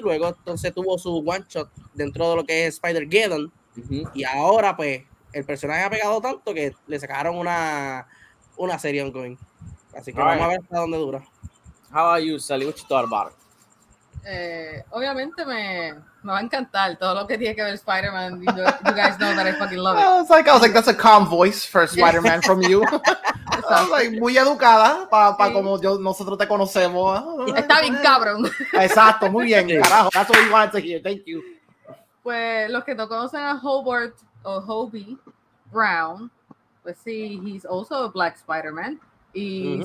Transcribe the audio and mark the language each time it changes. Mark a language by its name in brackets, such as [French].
[Spanish] Luego entonces tuvo su one shot dentro de lo que es Spider-Geddon. Uh-huh. Y ahora pues el personaje ha pegado tanto que le sacaron una serie ongoing. Así que vamos a ver hasta dónde dura. [English] How are you, Sally? What you thought about it? [Spanish] Obviamente me va a encantar todo lo que tiene que ver Spider-Man. [English] You guys know that I fucking love it. I was like, that's a calm voice for Spider-Man from you. I was like, [Spanish] muy educada pa como nosotros te conocemos. Está bien cabrón. Exacto, muy bien, carajo. [English] That's what we wanted to hear. Thank you. [Spanish] Pues los que no conocen a Hobart o Hobie Brown, pues sí, [English] he's also a black Spider-Man, [Spanish] y uh-huh.